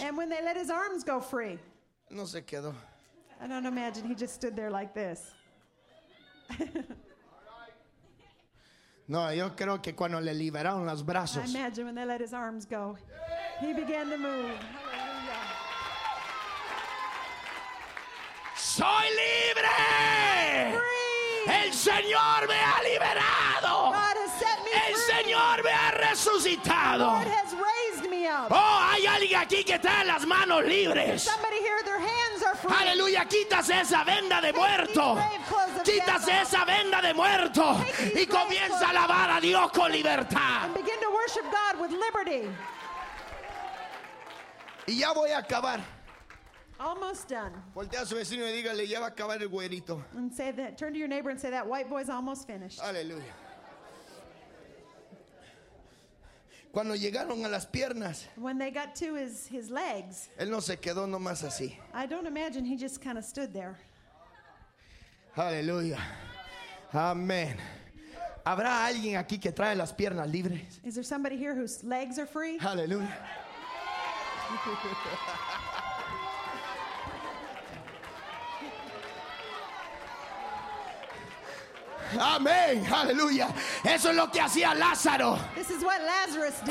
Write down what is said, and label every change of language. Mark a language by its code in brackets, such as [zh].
[en] And when they let his arms go free. [es] No se quedó. [en] I don't imagine he just stood there like this. [es] No, yo creo que cuando le liberaron los brazos. [en] I imagine when they let his arms go. He began to move. [es] ¡Soy libre! [en] Free. [es] ¡El Señor me ha liberado! El Señor me ha resucitado. [en] The Lord has raised me up. [es] Oh, hay alguien aquí que trae las manos libres. [en] Somebody here, their hands are free. [es] Aleluya, quítase esa venda de muerto. Quítase esa venda de muerto. Y comienza a alabar a Dios con libertad. [en] And begin to worship God with liberty. [es] Y ya voy a acabar. [en] Almost done. [es] Voltea a su vecino y dígale, ya va a acabar el güerito. [en] And say that, turn to your neighbor and say that white boy's almost finished. [es] Aleluya. Cuando llegaron a las piernas. [en] When they got to his legs. [es] Él no se quedó nomás así. [en] I don't imagine he just kind of stood there. Hallelujah. Amen. [es] ¿Habrá alguien aquí que trae las piernas libres? [en] Is there somebody here whose legs are free? Hallelujah. [es] Amén, aleluya. Eso es lo que hacía Lázaro. [en] This is what Lazarus did.